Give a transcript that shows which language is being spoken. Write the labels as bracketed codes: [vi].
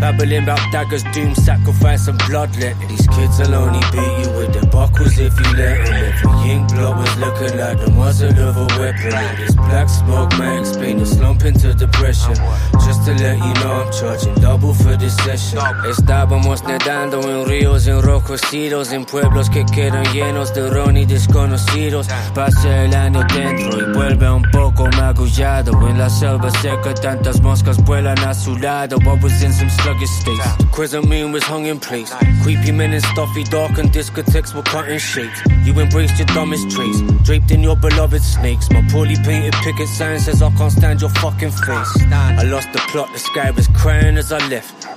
[en] Babbling about daggers, doom, sacrifice and bloodletting. These kids will only beat you with their buckles if you let them. Every ink blot was looking like the muzzle of a weapon. And this black smoke may explain the slump into depression. Just to let you know, I'm charging double for this session. [es] Estábamos nadando en ríos enrojecidos, en pueblos que quedan llenos de ron y desconocidos. Pasa el año dentro y vuelve un poco magullado. En la selva seca tantas moscas vuelan a su lado. [en] What was in some sluggish states? The crescent moon was hung in place. Creepy men in stuffy dark and discotheques were cutting shapes. You embraced your dumbest traits, draped in your beloved snakes. My poorly painted picket sign says I can't stand your fucking face. I lost the plot, the sky was crying as I left.